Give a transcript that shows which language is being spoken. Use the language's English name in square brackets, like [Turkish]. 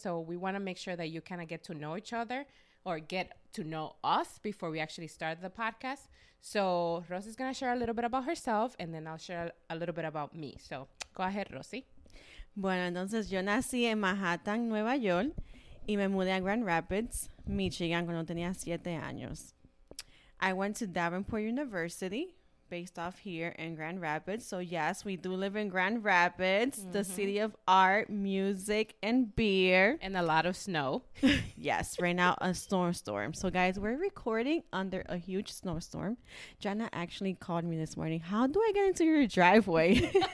[English] So, we want to make sure that you kind of get to know each other. Or get to know us before we actually start the podcast. So Rosy is going to share a little bit about herself, and then I'll share a little bit about me. So go ahead, Rosy. [Spanish] Bueno, entonces yo nací en Manhattan, Nueva York, y me mudé a Grand Rapids, Michigan, cuando tenía 7 años. [English] I went to Davenport University, based off here in Grand Rapids. So yes, we do live in Grand Rapids, mm-hmm. The city of art, music, and beer. And a lot of snow. Yes, right now a snowstorm. So guys, we're recording under a huge snowstorm. Jatna actually called me this morning. How do I get into your driveway?